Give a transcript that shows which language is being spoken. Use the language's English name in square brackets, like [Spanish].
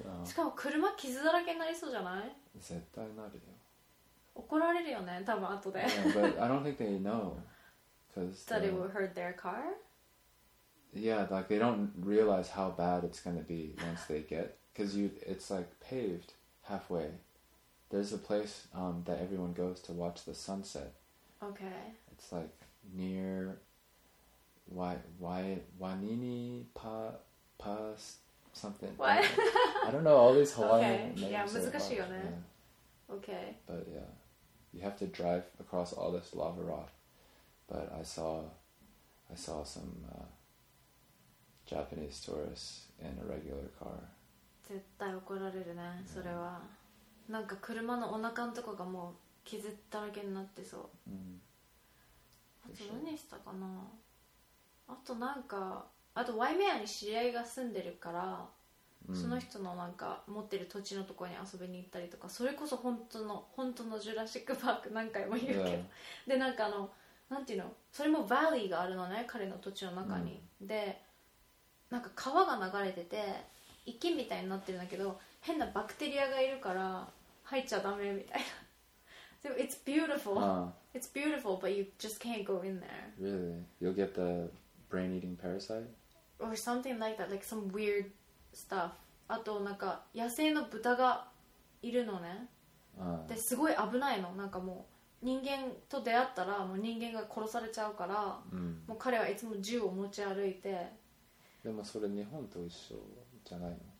[Japanese] しかも車傷だらけになりそうじゃない? 絶対なるよ。怒られるよね、多分後で。 [English] But I don't think they know. That it would hurt their car? Yeah, like they don't realize how bad it's going to be once they get... Because it's like paved halfway. There's a place that everyone goes to watch the sunset. Okay. It's like near Wainini Pa something. What? I don't know, all these Hawaiian names. Okay, yeah, [Japanese] 難しいよね. [English] Yeah. Okay. But yeah, you have to drive across all this lava rock. But I saw some Japanese tourists in a regular car. [Japanese] 絶対怒られるね、それは。なんか車のお腹のとこがもう傷だらけになってそう。あと何したかな。あとなんか、あとワイメアに知り合いが住んでるから、その人のなんか持ってる土地のとこに遊びに行ったりとか、それこそ本当のジュラシックパーク何回も言うけど、でなんかなんていうの、それもバリーがあるのね、彼の土地の中に。でなんか川が流れてて。池みたいになってるんだけど変なバクテリアがいるから入っちゃダメみたいな。でも [English] It's beautiful、It's beautiful but you just can't go in there. Really? You'll get the brain eating parasite? Or something like that, like some weird stuff. [Japanese] あとなんか野生の豚がいるのね、ですごい危ないの。なんかもう人間と出会ったらもう人間が殺されちゃうから、もう彼はいつも銃を持ち歩いて。でもそれ日本と一緒じゃないの。